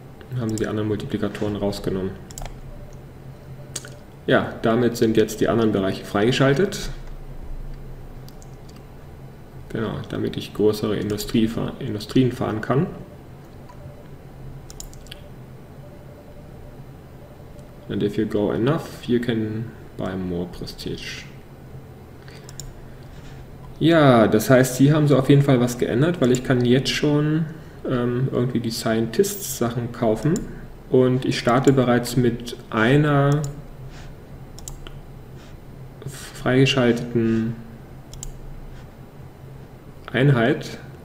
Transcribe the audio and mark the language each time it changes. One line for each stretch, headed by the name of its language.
German: Dann haben sie die anderen Multiplikatoren rausgenommen. Ja, damit sind jetzt die anderen Bereiche freigeschaltet. Genau, damit ich größere Industrien fahren kann.
English: And if you go enough, you can buy more prestige.
German: Ja, das heißt, sie haben so auf jeden Fall was geändert, weil ich kann jetzt schon irgendwie die Scientists Sachen kaufen. Und ich starte bereits mit einer freigeschalteten Einheit.